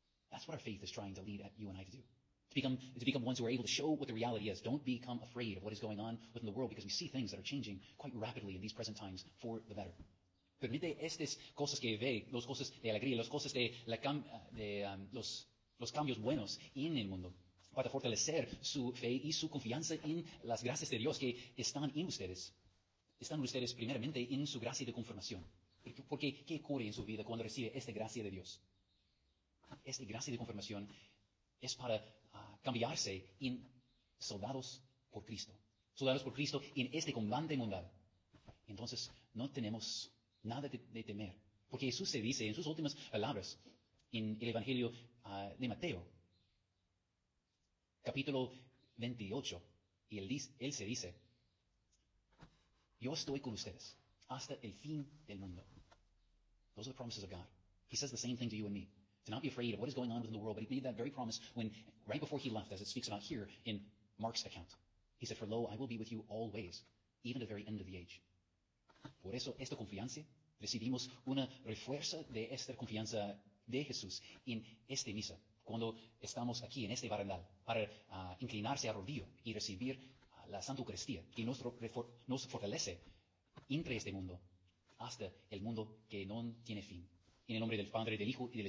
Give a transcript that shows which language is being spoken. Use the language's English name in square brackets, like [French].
[English] That's what our faith is trying to lead you and I to do. To become ones who are able to show what the reality is. Don't become afraid of what is going on within the world because we see things that are changing quite rapidly in these present times for the better. [Spanish] Permite estas cosas que ve, las cosas de alegría, las cosas los cambios buenos en el mundo, para fortalecer su fe y su confianza en las gracias de Dios que están en ustedes. Están ustedes primeramente en su gracia de confirmación. Porque, ¿qué ocurre en su vida cuando recibe esta gracia de Dios? Esta gracia de confirmación es para cambiarse en soldados por Cristo. Soldados por Cristo en este combate mundial. Entonces, no tenemos nada de temer. Porque Jesús se dice en sus últimas palabras, en el Evangelio de Mateo, capítulo 28, y él se dice, Yo estoy con ustedes hasta el fin del mundo. [English] Those are the promises of God. He says the same thing to you and me. To not be afraid of what is going on within the world, but he made that very promise when, right before he left, as it speaks about here in Mark's account. He said, for lo, I will be with you always, even to the very end of the age. [Spanish] Por eso, esta confianza, recibimos una refuerza de esta confianza de Jesús en esta misa, cuando estamos aquí en este barandal, para inclinarse a rodillo y recibir la Santa Eucaristía, que nos fortalece entre este mundo, hasta el mundo que no tiene fin. En el nombre del Padre, del Hijo y del Espíritu.